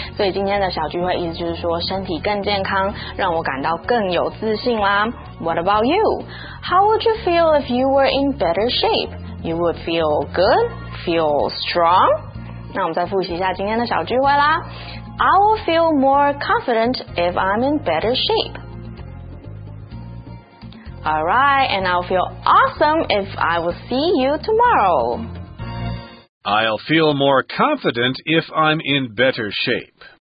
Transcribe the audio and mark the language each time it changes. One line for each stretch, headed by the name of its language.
Chinese: 所以今天的小聚会意思就是说身体更健康，让我感到更有自信啦。
English: What about you? How would you feel if you were in better shape? You would feel good, feel strong?
Chinese: 那我们再复习一下今天的小聚会啦。
English: I will feel more confident if I'm in better shape. All right, and I'll feel awesome if I will see you tomorrow. I'll feel more confident if I'm in better shape.